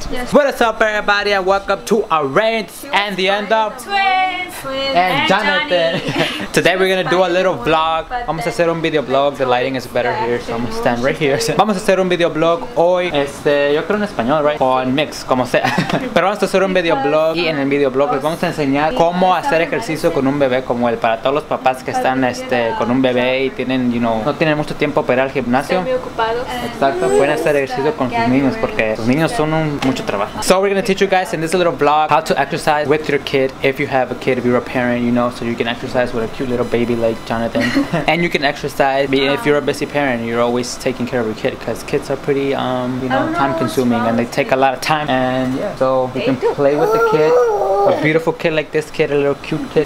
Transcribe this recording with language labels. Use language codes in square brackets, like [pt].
[en] What's up, everybody, and welcome to our rants and the end of Twins and Jonathan. Today we're gonna do a little vlog. [es] Vamos a hacer un video blog. [en] The lighting is better here, so I'm gonna stand right here. [es] Vamos a hacer un video blog hoy. Yo creo en español, right? O en mix, como sea. Pero vamos a hacer un video blog y en el video blog les vamos a enseñar cómo hacer ejercicio con un bebé como él. Para todos los papás que están, con un bebé y tienen, [en] you know, [es] no tienen mucho tiempo para ir al gimnasio. Exacto. Pueden hacer ejercicio con sus niños porque sus niños son mucho trabajo. [en] So we're gonna teach you guys in this little vlog how to exercise with your kid if you have a kid, if you're a parent, you know, so you can exercise with a cute little baby like Jonathan. And you can exercise if you're a busy parent, you're always taking care of your kid because kids are pretty, you know, time consuming and they take a lot of time. And yeah, so you can play with the kid. A beautiful kid like this kid, a little cute kid.